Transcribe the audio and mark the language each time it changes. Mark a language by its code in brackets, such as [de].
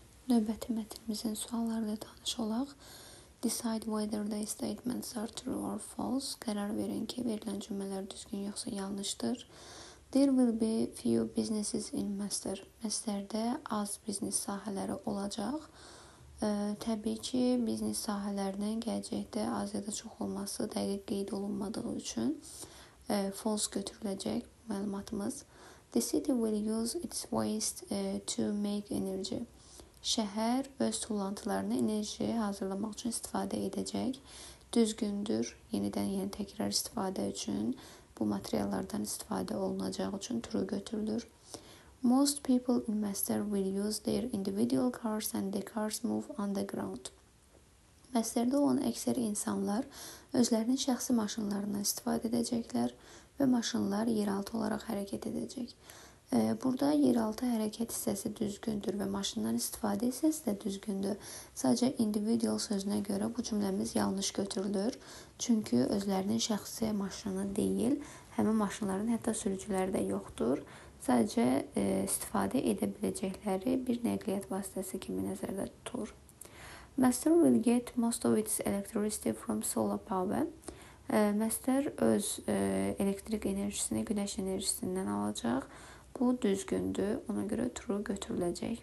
[az] Növbəti mətnimizin suallarda tanış olaq. [en] Decide whether the statements are true or false. [az] Qərar verin ki, verilən cümlələr düzgün yoxsa yanlışdır. [en] There will be few businesses in Mester. [az] Mesterdə az biznes sahələri olacaq. Təbii ki, biznes sahələrinin gələcəkdə az ya da çox olması dəqiq qeyd olunmadığı üçün false götürüləcək məlumatımız. [en] The city will use its waste to make energy. [az] Şəhər öz tullantılarını enerji hazırlamaq üçün istifadə edəcək. Düzgündür, yenidən təkrar istifadə üçün, bu materiallardan istifadə olunacağı üçün turu götürülür. [en] Most people in Mester will use their individual cars and the cars move underground. [az] Mesterdə olan əksər insanlar özlərinin şəxsi maşınlarından istifadə edəcəklər və maşınlar yeraltı olaraq hərəkət edəcək. Burada yeraltı hərəkət hissəsi düzgündür və maşından istifadə hissəsi də düzgündür. Sadəcə individual sözünə görə bu cümləmiz yanlış götürülür. Çünki özlərinin şəxsi maşını deyil, həmin maşınların hətta sürücüləri də yoxdur. Sadəcə istifadə edə biləcəkləri bir nəqliyyat vasitəsi kimi nəzərdə tutulur. [en] Mester will get most of its electricity from solar power. [az] Mester öz elektrik enerjisini günəş enerjisindən alacaq. Bu düzgündür, ona görə true götürüləcək.